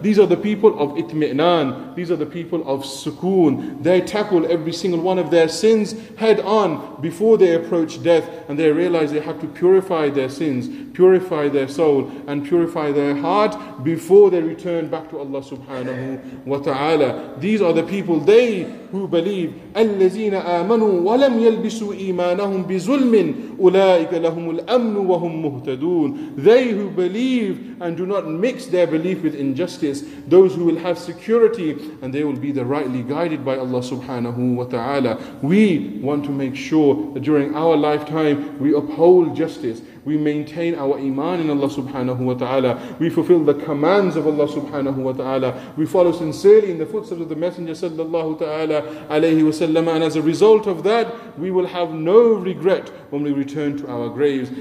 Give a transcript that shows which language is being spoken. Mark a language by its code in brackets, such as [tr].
[en] These are the people of itmi'nan. These are the people of sukoon. They tackle every single one of their sins head on before they approach death, and they realize they have to purify their sins, purify their soul, and purify their heart before they return back to Allah subhanahu wa ta'ala. These are the people, they who believe, [ar] الَّذِينَ آمَنُوا وَلَمْ يَلْبِسُوا إِيمَانَهُمْ بِظُلْمٍ أُولَٰئِكَ لَهُمُ الْأَمْنُ وَهُمْ مُهْتَدُونَ. [en] They who believe and do not mix their belief with injustice, those who will have security and they will be the rightly guided by Allah subhanahu wa ta'ala. We want to make sure that during our lifetime we uphold justice, we maintain our iman in Allah subhanahu wa ta'ala, we fulfill the commands of Allah subhanahu wa ta'ala, we follow sincerely in the footsteps of the Messenger sallallahu ta'ala alayhi wa sallam, and as a result of that, we will have no regret when we return to our graves.